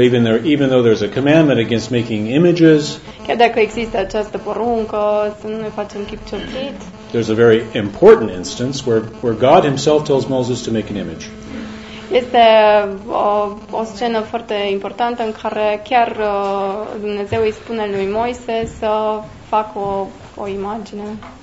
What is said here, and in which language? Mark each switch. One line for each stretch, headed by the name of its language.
English: So even though there's a commandment against making images,
Romanian: chiar dacă există această poruncă să nu ne facem chip cioplit.
English: There's a very important instance where God himself tells Moses to make an image.
Romanian: Este o scenă foarte importantă în care chiar Dumnezeu îi spune lui Moise să facă o imagine.